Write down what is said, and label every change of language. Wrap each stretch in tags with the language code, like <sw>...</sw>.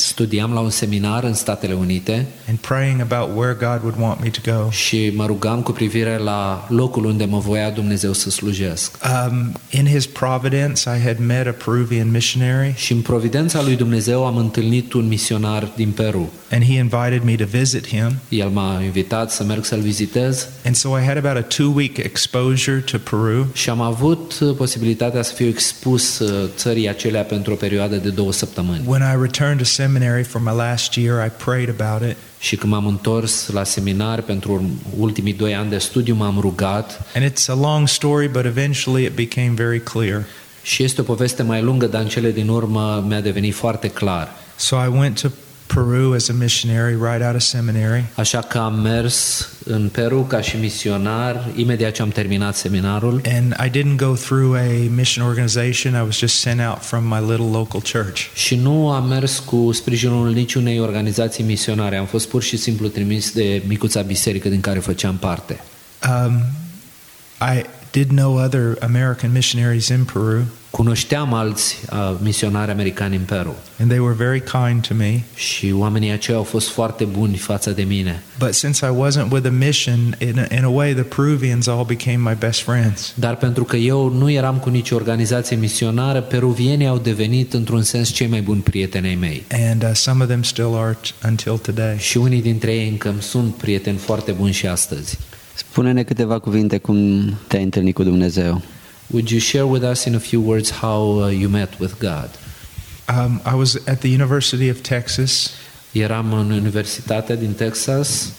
<ro>Studiam la un seminar în Statele Unite.</ro> <en>And praying about where God would want me to go.</en> <ro>Și mă rugam cu privire la locul unde mă voia Dumnezeu să slujesc.</ro> <en>In his providence, I had met a Peruvian missionary.</en> <ro>Și în providența lui Dumnezeu am întâlnit un misionar din Peru.</ro> <en>And he invited me to visit him.</en> <ro>El m-a invitat să merg să-l vizitez.</ro> <en>And so I had about a 2 week exposure to Peru.</en> <ro>Și am avut posibilitatea să fiu expus țării acelea pentru o perioadă de 2 săptămâni.</ro> <en>When I returned to seminary for my last year, I prayed about it.</en> <ro>Și când m-am întors la seminar pentru ultimii 2 ani de studiu, m-am rugat.</ro> <en>And it's a long story, but eventually it became very clear.</en> <ro>Și este o poveste mai lungă, dar în cele din urmă mi-a devenit foarte clar.</ro> <en>So I went to Peru as a missionary right out of seminary.</en> <ro>Așa că am mers în Peru ca și misionar imediat ce am terminat seminarul.</ro> <en>And I didn't go through a mission organization. I was just sent out from my little local church.</en> <ro>Și nu am mers cu sprijinul niciunei organizații misionare. Am fost pur și simplu trimis de micuța biserică din care făceam parte.</ro> <en>I did know other American missionaries in Peru.</en> <ro>Cunoșteam alți misionari americani în Peru.</ro> <en>And they were very kind to me.</en> <ro>Și oamenii aceia au fost foarte buni față de mine.</ro> <en>But since I wasn't with a mission, in a way the Peruvians all became my best friends.</en> <ro>Dar pentru că eu nu eram cu nicio organizație misionară, peruvienii au devenit într-un sens cei mai buni prieteni ai mei.</ro> <en>And some of them still are until today.</en> <ro>Și unii dintre ei încă sunt prieteni foarte buni și astăzi. Spune-ne câteva cuvinte cum te-ai întâlnit cu Dumnezeu.</ro> <en>Would you share with us in a few words how you met with God? I was at the University of Texas.</en> <ro>Eram în Universitatea din Texas.</ro>